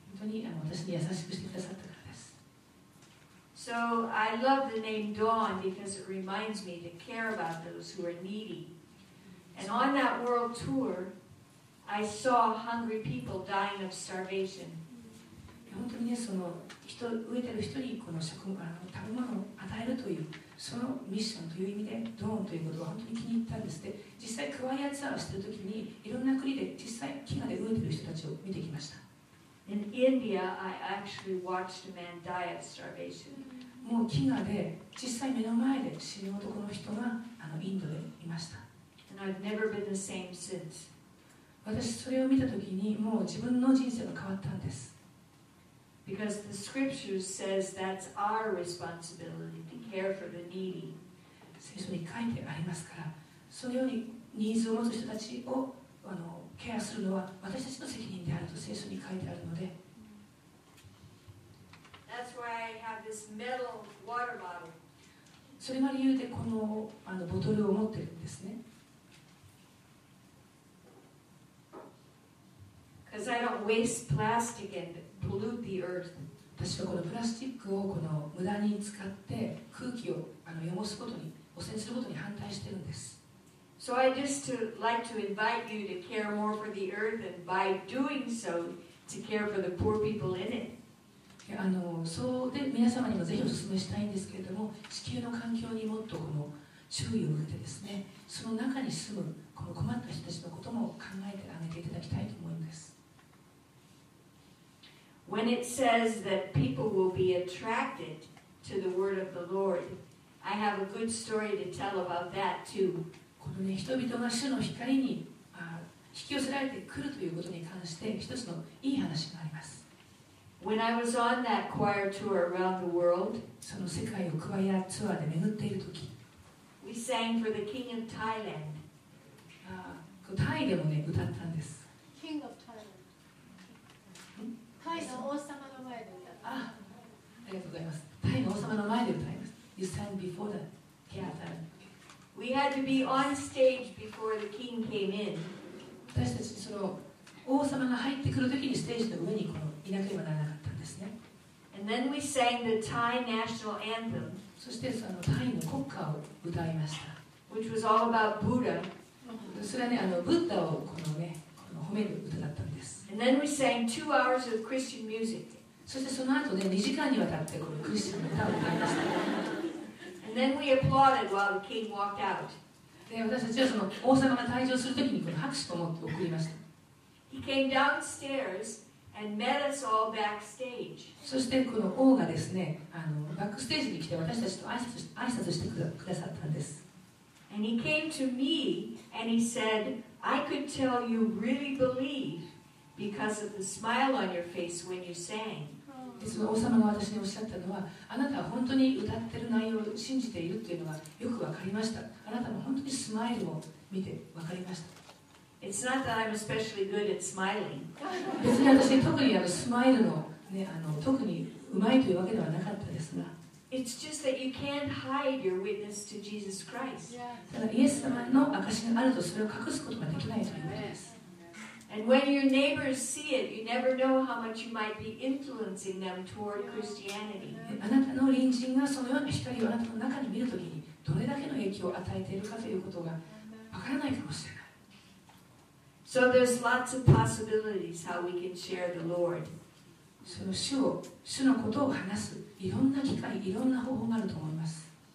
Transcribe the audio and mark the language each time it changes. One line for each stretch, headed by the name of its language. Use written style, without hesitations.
Japanese: 本当に私に優しくしてくださったからです。
English: So I love the name Dawn because it reminds me to care about those who are needy. And on that world tour, I saw hungry people dying of starvation.
Japanese: 本当にね、その人植えてる人にこの食物の食べ物を与えるというそのミッションという意味でドーンということは本当に気に入ったんですって。実際クワイアツアーをしている時にいろんな国で実際飢餓で飢えてる人たちを見てきました。
English: In India, I actually watched a man die of starvation.
Japanese: もう飢餓で実際目の前で死ぬ男の人がインドでいました。
English: And I've never been the same since.
Japanese: 私それを見た時にもう自分の人生が変わったんです。
English: Because the scripture says that's our responsibility to care for the needy.
Japanese: 聖書に書いてありますから、そのようにニーズを持つ人たちをケアするのは私たちの責任であると聖書に書いてあるので。
English: That's why I have this metal water bottle.
Japanese: それが理由でこのボトルを持っているんですね。
English: Because I don't waste plastic in it. The earth.
Japanese: 私はこのプラスチックをこの無駄に使って空気を汚すことに汚染することに反対しているんです。
English: So I just to like to invite you to care more for the earth and by doing so to care for the poor people in it.
Japanese: そうで皆様にもぜひお勧めしたいんですけれども、地球の環境にもっとこの注意を向けてですね、その中に住むこの困った人たちのことも考えてあげていただきたいと思います。
English: When it says that people will be attracted to the word of the Lord, I have a good story to tell about that too.
Japanese: このね、人々が主の光に引き寄せられてくるということに関して一つのいい話があります。
English: When I was on that choir tour around the world,
Japanese: その世界をクワイアツアーで巡っているとき、
English: we sang for the King of Thailand.
Japanese: タイでもね、歌ったんです。
English: King of Thailand.
Japanese: タイの王様の前で歌います。ありがとうございます。タイの王様の前で歌います。
English: You sang before the king of Thailand. We had to be on stage before the king came in.
Japanese: 私たちその王様が入ってくるときにステージの上にこのいなければならなかったんですね。
English: And then we sang the Thai national anthem.
Japanese: そしてそのタイの国歌を歌いました。
English: Which was all about Buddha.
Japanese: それはね、ブッダをこのね、この褒める歌だったんです。
English: And then we sang 2 hours of Christian music.
Japanese: そしてその後ね、2時間にわたってこのクリスチャンの歌を歌いました。
English: And then we applauded while the king walked out.
Japanese: で、私たちはその王様が退場するときにこの拍手と思って送りました。
English: He came downstairs and met us all backstage.
Japanese: そしてこの王がですね、バックステージに来て私たちと挨拶してくださったんです。
English: And he came to me and he said, I could tell you really believe. Because of the smile on your face when you sang.
Japanese: で、その王様が私におっしゃったのは、あなたは本当に歌ってる内容を信じているというのがよくわかりました。あなたも本当にスマイルを見てわかりました。
English: It's not that I'm especially good at smiling.
Japanese: 別に私特にスマイルの、ね、特にうまいというわけではなかったですが。
English: It's just that you can't hide your witness to Jesus Christ.
Japanese: ただイエス様の証があるとそれを隠すことができないということです。
English: And when your neighbors see it, you never know how much you might be influencing them toward Christianity.
Japanese: あなたの隣人がそのような光をあなたの中に見るときにどれだけの影響を与えているかということがわからないかもしれない。
English: So there's lots of possibilities how we can share the Lord.
Japanese: その主のことを話すいろんな機会、いろんな方法があると思います。